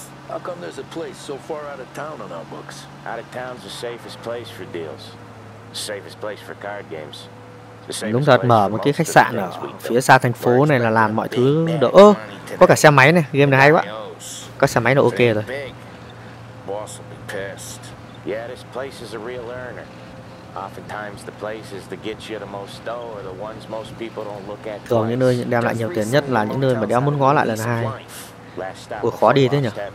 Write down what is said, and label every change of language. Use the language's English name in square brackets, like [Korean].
[English] How come there's a place so far out of town on our books? Out of town's the safest place for deals. The safest place for card games. [Vietnamese] Đúng thật, mở một cái khách sạn ở phía xa thành phố này là làm mọi thứ đỡ. Ơ, có cả xe máy này, game này hay quá. Có xe máy là ok rồi. [English] Yeah, this place is a real earner. Oftentimes the places that get you the most dough are the ones most people don't look at. [Vietnamese] Thường những nơi đem lại nhiều tiền nhất là những nơi mà đéo muốn ngó lại lần hai. Ủa khó đi thế nhỉ?